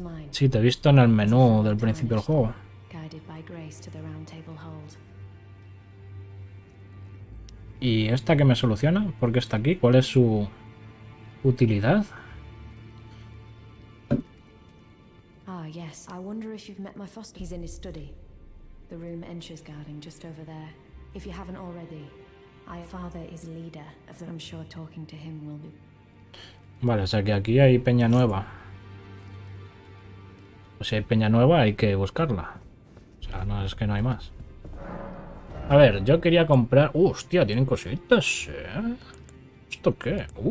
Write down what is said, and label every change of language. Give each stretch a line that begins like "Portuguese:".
Spanish: Sí, te he visto en el menú del principio del juego.
English: Guided by grace to the round table hold.
Spanish: ¿Y esta que me soluciona? ¿Por qué está aquí? ¿Cuál es su utilidad?
English: Ah, yes. I wonder if you've met my foster. He's in his study. The room entrance guarding just over there. If you haven't already, my father is leader of the... I'm sure talking to him will be...
Spanish: Vale, o sea que aquí hay peña nueva. Pues si hay peña nueva, hay que buscarla. O sea, no es que no hay más. A ver, yo quería comprar... hostia, tienen cositas, ¿eh? ¿Esto qué?